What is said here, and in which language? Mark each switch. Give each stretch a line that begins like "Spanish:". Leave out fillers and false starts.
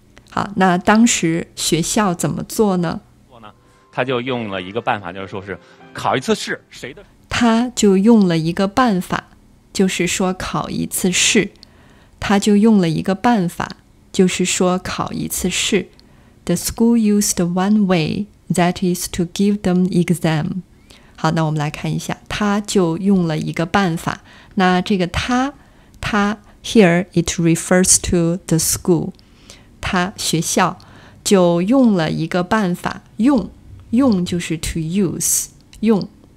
Chinese: 好，那当时学校怎么做呢？他就用了一个办法，就是说是考一次试，谁的？他就用了一个办法，就是说考一次试。他就用了一个办法，就是说考一次试。
English: The school used one way, that is to give them exam.
Chinese: 好，那我们来看一下，他就用了一个办法。那这个他
English: here it refers to the school.
Chinese: 他学校就用了一个办法，用就是
English: to use,
Chinese: 用。